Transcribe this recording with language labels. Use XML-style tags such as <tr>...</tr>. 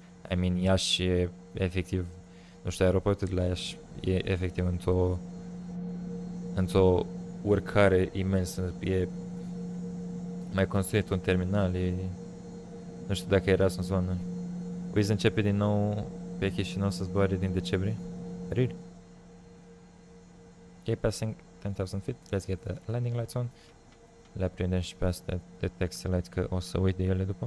<en>I mean,</en> <ro>Iași e efectiv, nu știu, aeroportul de la Iași e efectiv într-o urcare imensă, e mai construit un terminal, e, nu știu dacă era în zonă. Wizz începe din nou pe Chișinău să zboare din decembrie.</ro> <en>Really? Okay, passing 10,000 feet, let's get the landing lights on.</en> <ro>Le aprindem și pe astea de taxi lights, că o să uit de ele după.</ro>